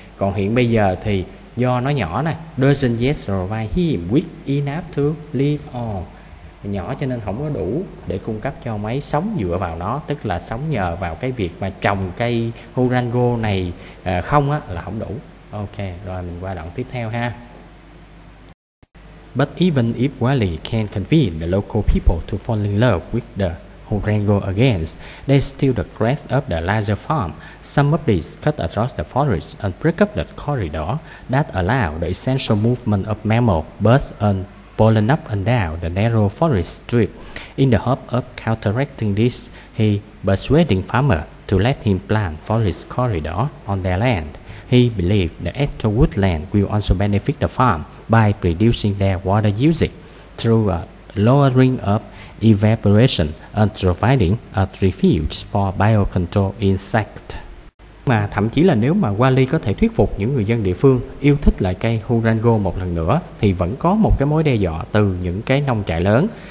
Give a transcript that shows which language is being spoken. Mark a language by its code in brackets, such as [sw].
[vi] Còn hiện bây giờ thì do nó nhỏ nè, [en] doesn't yet provide him with enough to live on, [vi] nhỏ cho nên không có đủ để cung cấp cho ông ấy sống dựa vào nó, tức là sống nhờ vào cái việc mà trồng cây Hurango này không á, là không đủ. Ok, rồi mình qua đoạn tiếp theo ha. [en] But even if Wally can convince the local people to fall in love with the Horango again, they steal the grass of the larger farm. Some of these cut across the forest and break up the corridor that allow the essential movement of mammals, birds, and pollen up and down the narrow forest strip. In the hope of counteracting this, he persuading farmer to let him plant forest corridor on their land. He believed the extra woodland will also benefit the farm by reducing their water usage through a lowering of evaporation and providing a refuge for biocontrol insects. [vi] Mà thậm chí là nếu mà Wally có thể thuyết phục những người dân địa phương yêu thích lại cây Horango một lần nữa thì vẫn có một cái mối đe dọa từ những cái nông trại lớn.